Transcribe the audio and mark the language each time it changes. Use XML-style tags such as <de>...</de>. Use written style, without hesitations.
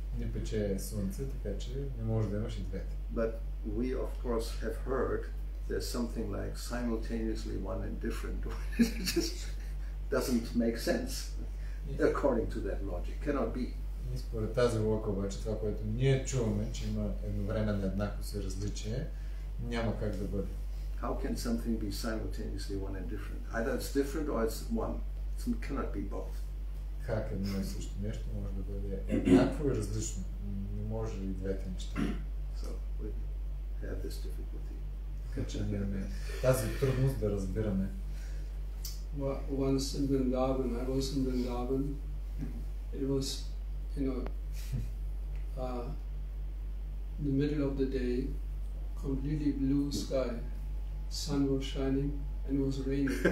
<bg>Не пече слънце, така че не може да имаш и двете.</bg> <en>But we of course have heard there's something like simultaneously one and different. It just doesn't make sense according to that logic. Cannot be.</en> <bg>И според тази логика обаче това, което ние чуваме, че има едновременно еднаквост и различие, няма как да бъде.</bg> <en>How can something be simultaneously one and different? Either it's different or it's one. It cannot be both.</en> <bg>Как едно и също нещо може да бъде еднакво и различно? Не може и двете неща.</bg> <en>So we have this difficulty.</en> <bg>Тази трудност да разбираме.</bg> <en>Once in Vrindavan, I was in Vrindavan. It was, you know, the middle of the day, completely blue sky. Sun was shining and it was raining.</en>